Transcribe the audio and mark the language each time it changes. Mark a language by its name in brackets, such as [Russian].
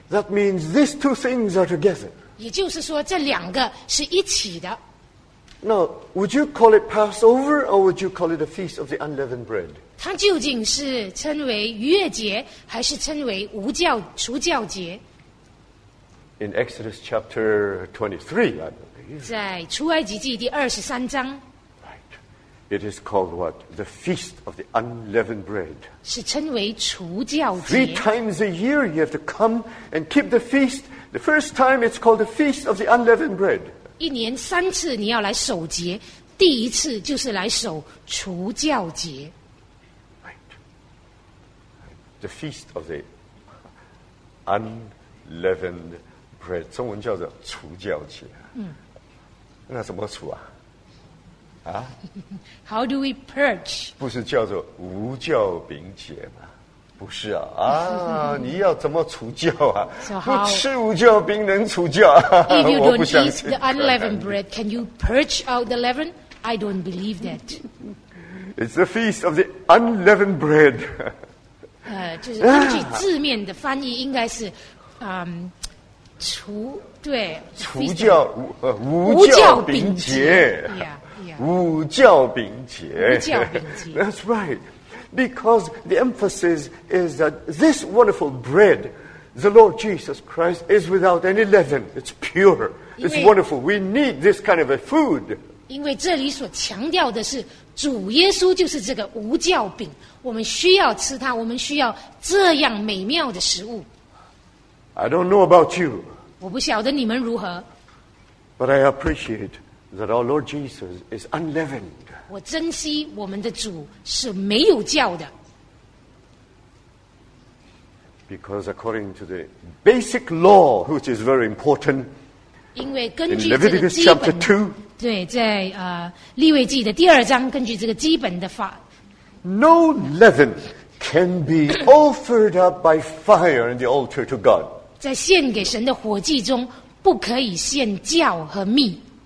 [English] That means these two things are together. [Chinese] 也就是说，这两个是一起的。 [English] Now, would you call it Passover, or would you call it the feast of the unleavened bread? [Chinese] 它究竟是称为逾越节，还是称为无酵除酵节？ [English] In Exodus chapter 23, I believe. [Chinese] 在出埃及记第23章 [English] Right. It is called what? The Feast of the Unleavened Bread. [Chinese] 是称为除酵节。 [English] Three times a year you have to come and keep the feast. The first time it's called the Feast of the Unleavened Bread. [Chinese] 一年三次你要来守节，第一次就是来守除酵节。 [English] Right. The Feast of the Unleavened Bread. [Chinese] 中文叫做除酵节。嗯。那怎么除啊？啊、 [English] How do we purge? [Chinese] 不是叫做无酵饼节吗？不是啊，啊，你要怎么除酵啊？不吃无酵饼能除酵？ [English] If you don't eat the unleavened bread, can you purge out the leaven? I don't believe that. It's the feast of the unleavened bread. [Chinese] 就是根据字面的翻译，应该是，除对除酵无酵饼节。 [English] Yeah. [Chinese] 无酵饼节。 [English] That's right. Because the emphasis is that this wonderful bread, the Lord Jesus Christ, is without any leaven. It's pure. It's wonderful. We need this kind of a food. [Chinese] 因为这里所强调的是主耶稣就是这个无酵饼，我们需要吃它，我们需要这样美妙的食物。 [English] I don't know about you. [Chinese] 我不晓得你们如何。 [English] But I appreciate. That our Lord Jesus is unleavened. [Chinese] 我珍惜我们的主是没有酵的。 [English] Because according to the basic law, which is very important, [Chinese] 因为根据这个基本 [English] in Leviticus chapter 2, [Chinese] 对，在利未记的第二章，根据这个基本的法 [English] ，No leaven can be offered up by fire in the altar to God. [Chinese] 在献给神的火祭中，不可以献酵和蜜。